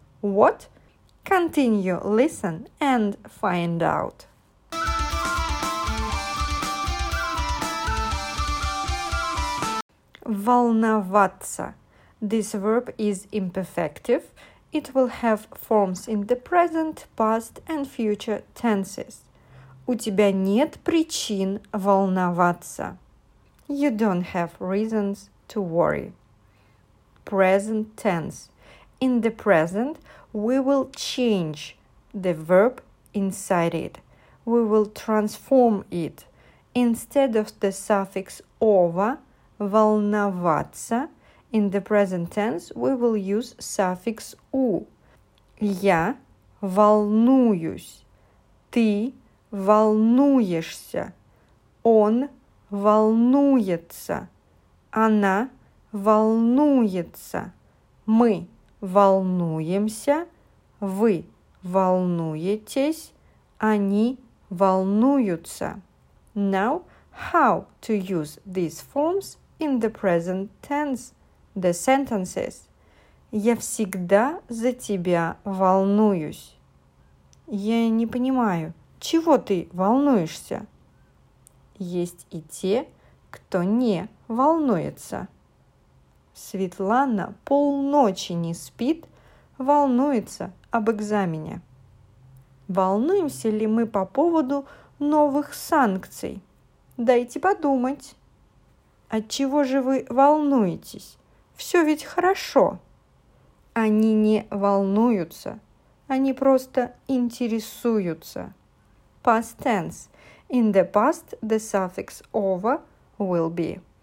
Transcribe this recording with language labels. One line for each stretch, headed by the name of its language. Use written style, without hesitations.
English: What? Continue, listen and find out. Волноваться. This verb is imperfective. It will have forms in the present, past and future tenses.
Russian: У тебя нет причин волноваться.
English: You don't have reasons to worry. Present tense. In the present, we will change the verb inside it. We will transform it. Instead of the suffix ова, волноваться, in the present tense, we will use suffix «у».
Russian: Я волнуюсь. Ты волнуешься. Он волнуется. Она волнуется. Мы волнуемся. Вы волнуетесь. Они волнуются.
English: Now, how to use these forms in the present tense? The sentences.
Russian: Я всегда за тебя волнуюсь. Я не понимаю, чего ты волнуешься? Есть и те, кто не волнуется. Светлана полночи не спит, волнуется об экзамене. Волнуемся ли мы по поводу новых санкций? Дайте подумать. Отчего же вы волнуетесь? Все ведь хорошо. Они не волнуются. Они просто интересуются.
English: Past tense. In the past, the suffix over will be.